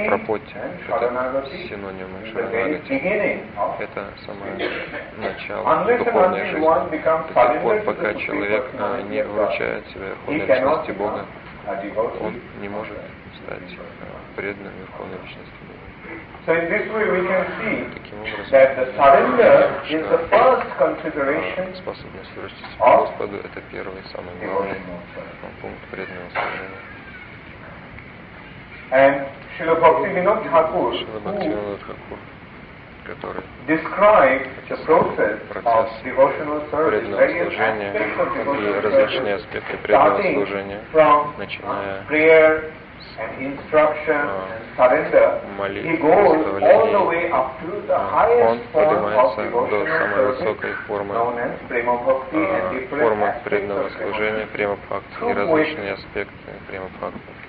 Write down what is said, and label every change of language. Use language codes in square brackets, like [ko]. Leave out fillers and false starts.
[ru] это синонимы Шаранагати. Это самое начало духовной жизни. До тех пор, пока человек не вручает себя Верховной Личности Бога, он не может стать преданным Верховной Личности Бога. [en] So in this way we can see that the surrender is the first consideration [ru] способность вручить себя Господу — это первый самый главный пункт преданного служения. [en] And Srila Bhaktivinoda Thakur, described the process of devotional service, various aspects of devotional service, starting from prayer and instruction and surrender, he goes all the way up to the highest form of devotional service, known as prema bhakti and different [ru] преданного служения, према бхакти и различные аспекты према бхакти.